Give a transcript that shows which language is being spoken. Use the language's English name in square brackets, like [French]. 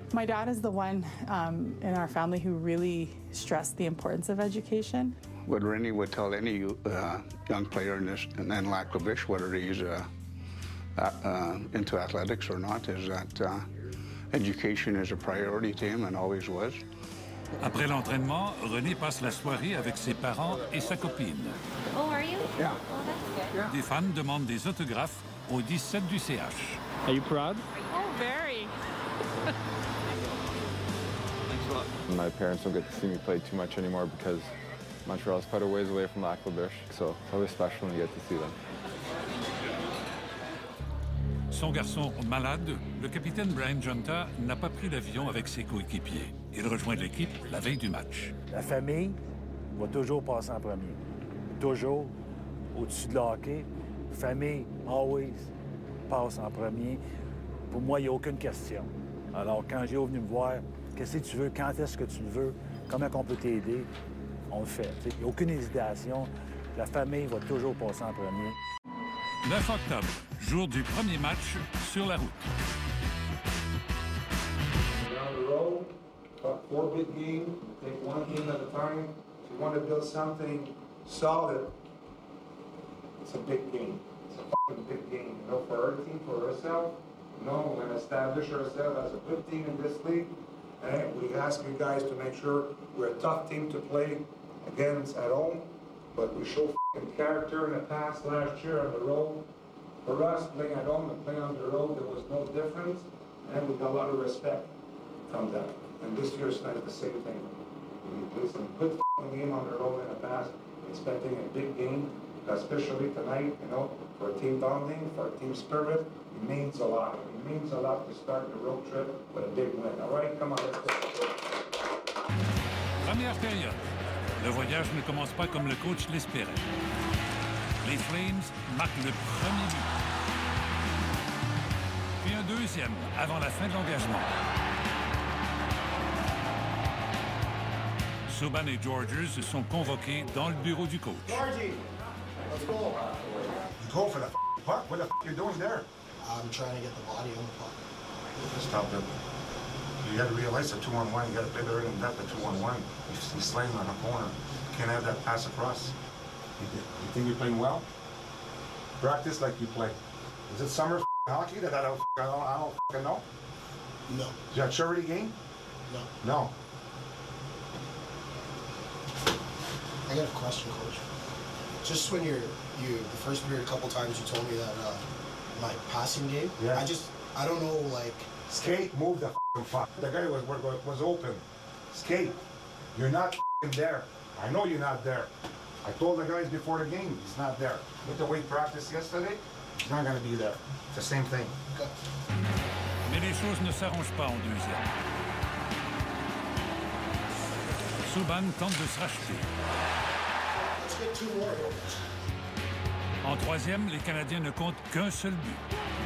[English] My dad is the one in our family who really stressed the importance of education. What Rennie would tell any young player in Lac Labiche, whether he's into athletics or not, is that education is a priority to him and always was. [French] Après l'entraînement, René passe la soirée avec ses parents et sa copine. [English] Oh, are you? Yeah. Oh, that's good. Yeah. [French] Des fans demandent des autographes au 17 du CH. [English] Are you proud? Oh, very. My parents don't get to see me play too much anymore because Montreal is quite a ways away from Lac-Labiche, so it's always special when you get to see them. [French] Son garçon malade, le capitaine Brian Junta n'a pas pris l'avion avec ses coéquipiers. Il rejoint l'équipe la veille du match. La famille va toujours passer en premier. Toujours au-dessus de l'hockey. Famille, always, passe en premier. Pour moi, il n'y a aucune question. Alors, quand j'ai venu me voir, qu'est-ce que tu veux, quand est-ce que tu le veux, comment on peut t'aider, on le fait. Il n'y a aucune hésitation. La famille va toujours passer en premier. 9 octobre, jour du premier match sur la route. [English] Down the road, about 4 big games, take 1 game at a time. If you want to build something solid, it's a big game. It's a fucking big game. You know, for our team, for ourselves, you know, we're going to establish ourselves as a good team in this league. And we ask you guys to make sure we're a tough team to play against at home. But we show f***ing character in the past last year on the road. For us, playing at home and playing on the road, there was no difference. And we got a lot of respect from that. And this year's not the same thing. We played some good f***ing game on the road in the past, expecting a big game, especially tonight, you know, for team bonding, for team spirit. It means a lot. It means a lot to start the road trip with a big win. All right, come on, let's go. [French] Le voyage ne commence pas comme le coach l'espérait. Les Flames marquent le premier but. Puis un deuxième avant la fin de l'engagement. Subban et Georges sont convoqués dans le bureau du coach. [English] Georgie, let's go. You go for the f***ing puck. What the f*** you doing there? I'm trying to get the body on the puck. Just stop it. You got to realize a 2-on-1. You got a bigger than that, the 2-on-1. He's slaying on a corner. Can't have that pass across. You think you're playing well? Practice like you play. Is it summer hockey that I don't fucking know? No. Is that charity game? No. No. I got a question, coach. Just when the first period, a couple times you told me that my passing game. Yeah. I don't know, like. Skate, move the fucking puck. The guy was open. Skate. You're not f***ing there. I know you're not there. I told the guys before the game, he's not there. With the weight practice yesterday, he's not going to be there. It's the same thing. [French] Mais les choses ne s'arrangent pas en deuxième. Subban tente de se racheter. [English] Let's get 2 more. [French] En troisième, les Canadiens ne comptent qu'un seul but.